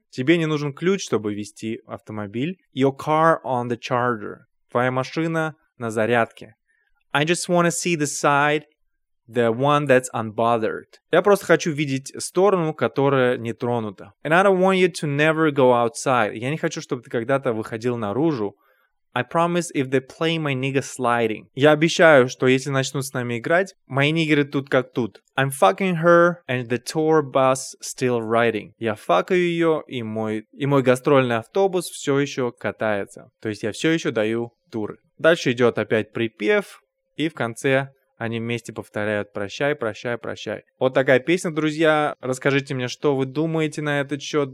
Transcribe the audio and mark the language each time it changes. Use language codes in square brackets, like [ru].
[ru] Тебе не нужен ключ, чтобы вести автомобиль. [en] Your car on the charger. [ru] Твоя машина на зарядке. [en] I just want to see the side, the one that's unbothered. [ru] Я просто хочу видеть сторону, которая не тронута. [en] And I don't want you to never go outside. [ru] Я не хочу, чтобы ты когда-то выходил наружу. [en] I promise if they play my nigga sliding. [ru] Я обещаю, что если начнут с нами играть, мои нигеры тут как тут. [en] I'm fucking her and the tour bus still riding. [ru] Я факаю ее, и мой гастрольный автобус все еще катается. То есть я все еще даю туры. Дальше идет опять припев, и в конце они вместе повторяют «прощай, прощай, прощай». Вот такая песня, друзья. Расскажите мне, что вы думаете на этот счет.